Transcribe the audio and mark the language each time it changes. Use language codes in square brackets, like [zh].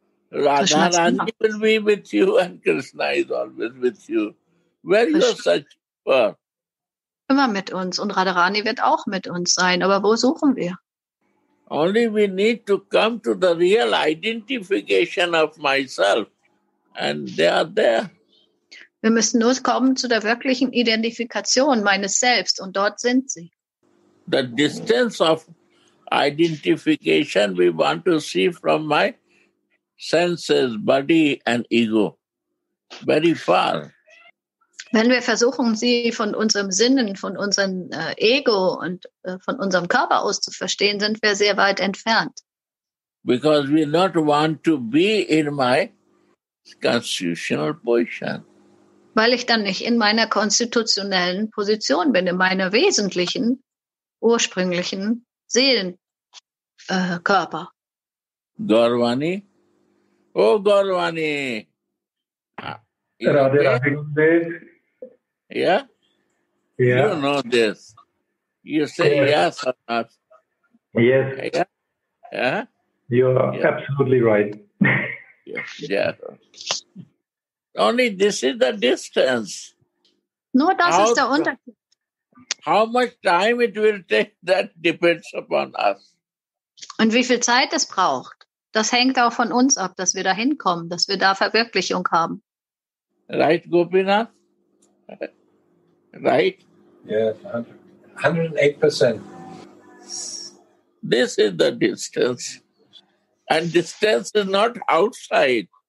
[en] Radharani will be with you and Krishna is always with you. Where you are searching for? [de] Immer mit uns und Radharani wird auch mit uns sein. Aber wo suchen wir? [en] Only we need to come to the real identification of myself. And they are there. [de] Wir müssen nur kommen zu der wirklichen Identifikation meines Selbst und dort sind sie. [en] The distance of identification we want to see from my senses, body and ego. Very far. [de] Wenn wir versuchen, sie von unserem Sinnen, von unserem Ego und von unserem Körper aus zu verstehen, sind wir sehr weit entfernt. [en] Because we not want to be in my constitutional position. [de] Weil ich dann nicht in meiner konstitutionellen Position bin, in meiner wesentlichen, ursprünglichen Seelenkörper. [en] Gaurvani? Oh, Gaurvani! Radhe, Radhe, Gurudev. Yeah? Yeah? You know this. You say yes, yes or not? Yes. Yeah? Yeah? You're absolutely right. Yes, yeah. Only this is the distance. [de] Nur das ist der Unterschied. [en] How much time it will take, that depends upon us. [de] Und wie viel Zeit es braucht, das hängt auch von uns ab, dass wir da hinkommen, dass wir da Verwirklichung haben. [en] Right, Gopinath? Right? Yes, 108%. This is the distance. And distance is not outside.